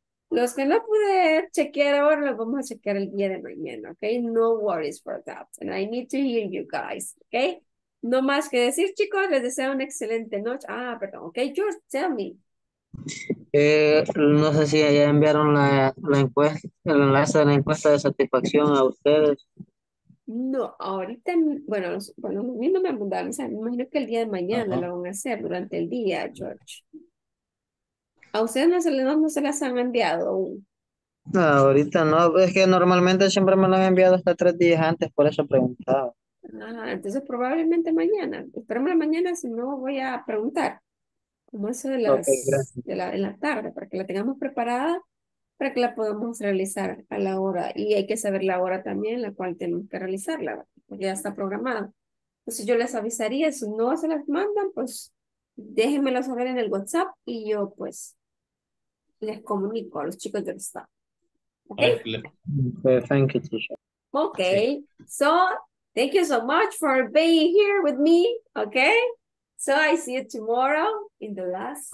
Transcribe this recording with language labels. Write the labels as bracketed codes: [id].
[es] Los que no pude chequear ahora, los vamos a chequear el día de mañana, ok? [en] No worries for that. And I need to hear you guys, ok? [es] No más que decir, chicos, les deseo una excelente noche. Ah, perdón, ok? George, [en] tell me. [es] No sé si ya enviaron la encuesta, el enlace de la encuesta de satisfacción a ustedes. No, ahorita, bueno, a mí no me mandaron, o sea, me imagino que el día de mañana lo van a hacer durante el día, George. ¿A ustedes no se las han enviado aún? No, ahorita no, es que normalmente siempre me lo han enviado hasta 3 días antes, por eso preguntaba. Ah, entonces probablemente mañana. Espérame mañana, si no voy a preguntar. Como eso de las de la tarde, para que la tengamos preparada, para que la podamos realizar a la hora. Y hay que saber la hora también en la cual tenemos que realizarla, porque ya está programada. Entonces yo les avisaría, si no se las mandan, pues déjenmelo saber en el WhatsApp y yo pues les comunico a los chicos del staff. [en] Okay, thank you, teacher. Okay, so thank you so much for being here with me. Okay, so I see you tomorrow in the last